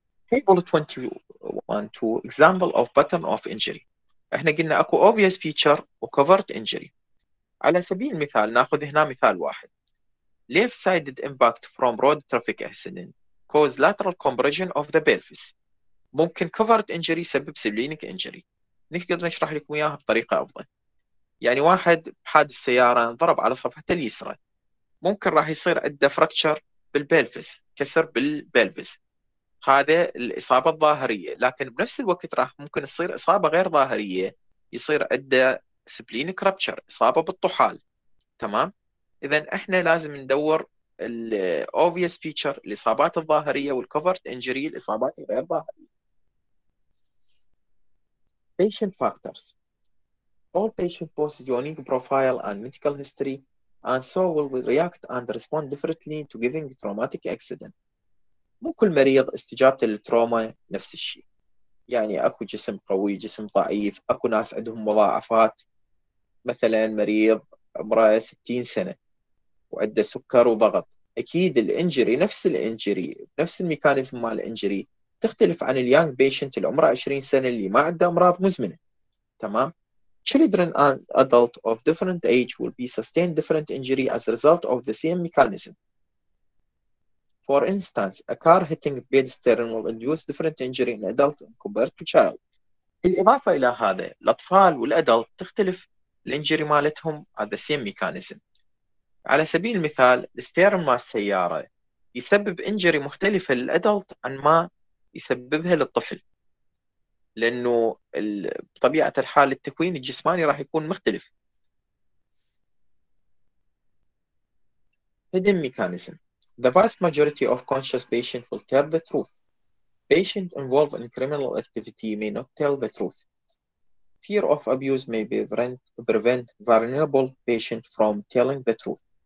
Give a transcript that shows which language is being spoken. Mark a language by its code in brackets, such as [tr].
[en] Table 21-2 example of pattern of injury. [ar] احنا قلنا اكو obvious feature و covered injury. على سبيل المثال ناخذ هنا مثال واحد. [en] Left-sided impact from road traffic accident cause lateral compression of the pelvis. [ar] ممكن covered injury سبب سبلينك injury. نقدر نشرح لكم اياها بطريقة افضل. يعني واحد بحادث سيارة ضرب على صفحة اليسرى، ممكن راح يصير عنده fracture بالبلفس، كسر بالبلفس، هذا الاصابة الظاهرية. لكن بنفس الوقت راح ممكن يصير اصابة غير ظاهرية، يصير عنده سبلينك rupture، اصابة بالطحال. تمام، اذا احنا لازم ندور الـ obvious feature الإصابات الظاهرية والـ covered injury الإصابات غير ظاهرية. [en] Patient factors. All patient poses unique profile and medical history and so will react and respond differently to giving traumatic accident. [ar] مو كل مريض استجابة للتروما نفس الشيء. يعني أكو جسم قوي جسم ضعيف، أكو ناس عندهم مضاعفات، مثلا مريض عمره 60 سنة وعنده سكر وضغط، أكيد الإنجري نفس الإنجري نفس الميكانيزم مال الإنجري تختلف عن [en] اليانج بيشنت [ar] اللي عمره 20 سنة اللي ما عنده أمراض مزمنة. [en] تمام؟ Children and adults of different age will be sustained different injury as a result of the same mechanism. For instance, a car hitting pedestrian will induce different injury in adult compared to child. [ar] بالإضافة إلى هذا، الأطفال والأدلت تختلف الإنجري مالتهم [en] at the same mechanism. [ar] على سبيل المثال، الستيرن مال السيارة يسبب إنجري مختلفة للأدلت عن ما يسببها للطفل، لأنه بطبيعة الحال التكوين الجسماني راح يكون مختلف. [en] Hidden mechanism. The vast majority of conscious patients will tell the truth. Patients involved in criminal activity may not tell the truth. Fear of abuse may prevent vulnerable patients from telling the truth.